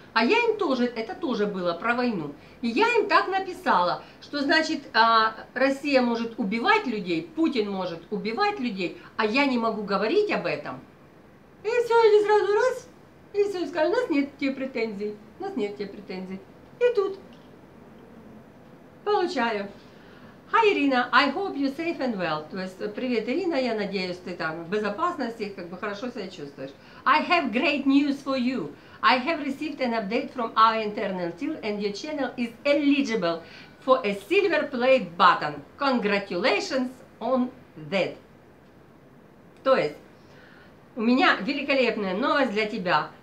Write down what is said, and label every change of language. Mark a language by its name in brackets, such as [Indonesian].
[Russian] А я им тоже, это тоже было про войну. И я им так написала, что, значит, Россия может убивать людей, Путин может убивать людей, а я не могу говорить об этом. И все, они сразу раз, и все, сказали, у нас нет тебе претензий, у нас нет тебе претензий. И тут получаю. [English] Hi, Ирина, I hope you're safe and well. [Russian] То есть, привет, Ирина, я надеюсь, ты там в безопасности, как бы хорошо себя чувствуешь. [English] I have great news for you. I have received an update from our internal team and your channel is eligible for a silver play button. Congratulations on that. [Russian] То есть, у меня великолепная новость для тебя.